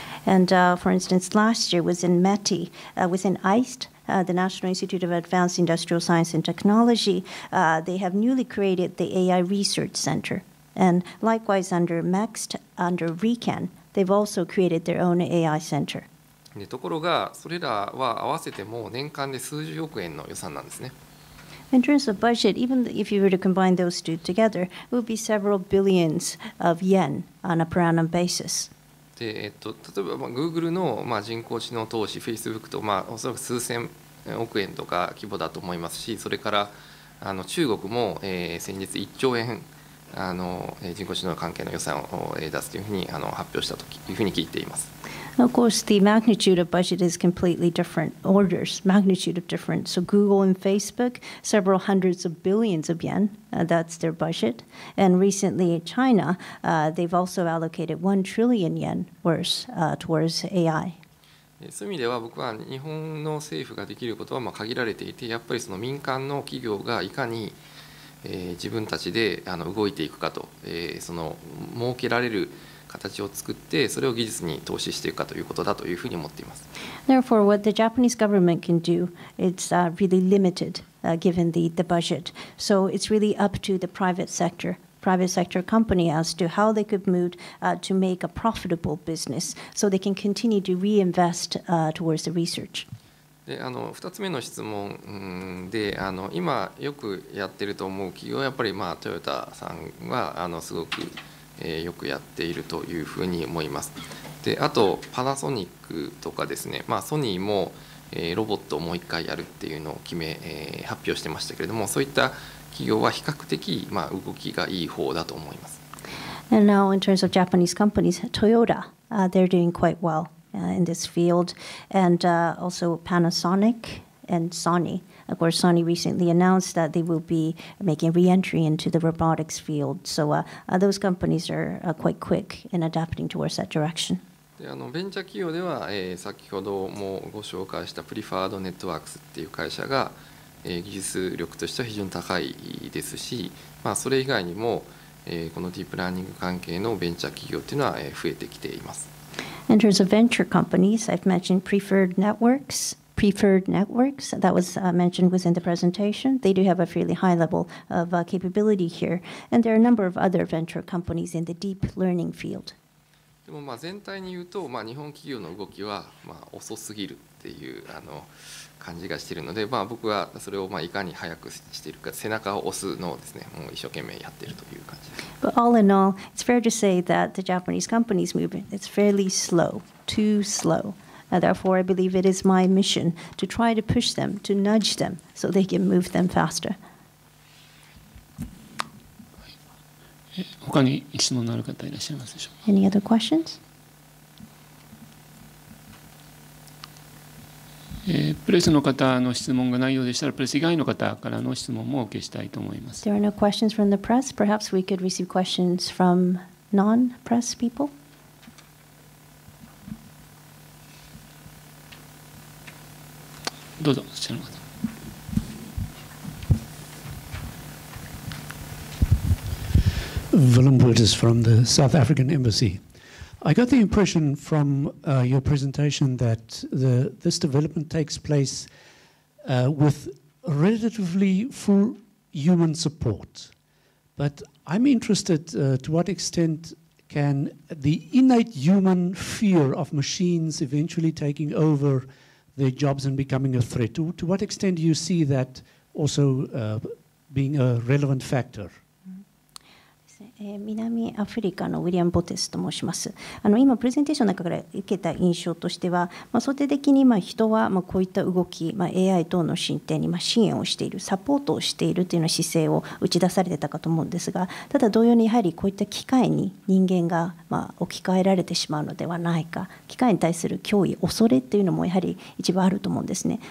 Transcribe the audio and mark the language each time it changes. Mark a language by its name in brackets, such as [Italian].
[English] And for instance, last year was in METI, was in EIST,the National Institute of Advanced Industrial Science and Technology, they have newly created the AI Research Center. And likewise, under MEXT, under RECAN, they've also created their own AI Center. [Japanese] ところが、それらは合わせてもう年間で数十億円の予算なんですね。 [English] In terms of budget, even if you were to combine those two together, it would be several billions of yen on a per annum basis. [Japanese] で例えば、Google の、まあ、人工知能投資、Facebook と、まあ、おそらく数千億円とか規模だと思いますし、それから中国も、先日1兆円人工知能関係の予算を出すというふうに発表したというふうに聞いています。 [English] Of course, the magnitude of budget is completely different. Orders, magnitude of different. So Google and Facebook, several hundreds of billions of yen, that's their budget. And recently, China, they've also allocated 1 trillion yen worth towards AI. [Japanese] そういう意味では僕は日本の政府ができることはまあ限られていて、やっぱりその民間の企業がいかに、自分たちで動いていくかと、その儲けられる形を作ってそれを技術に投資していくかということだというふうに思っています。 [English] Therefore, what the Japanese government can do, it's really limited given the budget. So it's really up to the private sector company as to how they could move to make a profitable business so they can continue to reinvest towards the research. [Japanese] で、2つ目の質問で、今よくやってると思う企業、やっぱりまあトヨタさんはすごくよくやっているというふうに思います。で、あとパナソニックとかですね、まあ、ソニーもロボットをもう一回やるっていうのを発表してましたけれども、そういった企業は比較的、まあ、動きがいい方だと思います。 [English] And now in terms of Japanese companies, Toyota, they're doing quite well in this field, and also Panasonic and Sony. Of course, Sony recently announced that they will be making re-entry into the robotics field. So those companies are quite quick in adapting towards that direction. [Japanese] で、ベンチャー企業では、先ほどもご紹介したプリファードネットワークスっていう会社が、技術力としては非常に高いですし、まあ、それ以外にも、このディープラーニング関係のベンチャー企業というのは、増えてきています。 [English] In terms of venture companies, I've mentioned Preferred Networks, preferred networks that was mentioned within the presentation. They do have a fairly high level of capability here. And there are a number of other venture companies in the deep learning field. [Japanese] でもまあ全体に言うと、まあ、日本企業の動きはまあ遅すぎるっていうあの感じがしているので、まあ、僕はそれをまあいかに早くしているか、背中を押すのをですね、もう一生懸命やっているという感じです。 [English] But all in all, it's fair to say that the Japanese companies moving, it's fairly slow, too slow. Therefore, I believe it is my mission to try to push them, to nudge them, so they can move them faster. [Japanese] 他に質問のある方いらっしゃいますでしょうか。 [English] Any other questions? [Japanese] プレスの方の質問がないようでしたら、プレス以外の方からの質問もお受けしたいと思います。 [English] There are no questions from the press. Perhaps we could receive questions from non-press people. [Japanese] どうぞ、こちらの方。 [English] Willem Brutus from the South African Embassy. I got the impression from your presentation that this development takes place with relatively full human support. But I'm interested to what extent can the innate human fear of machines eventually taking over their jobs and becoming a threat. To what extent do you see that also being a relevant factor? [Japanese] 南アフリカのウィリアム・ボテスと申します。今プレゼンテーションの中から受けた印象としては、想定的に人はこういった動き、AI 等の進展に支援をしている、サポートをしているというような姿勢を打ち出されてたかと思うんですが、ただ同様にやはりこういった機械に人間が置き換えられてしまうのではないか、機械に対する脅威、恐れというのもやはり一番あると思うんですね。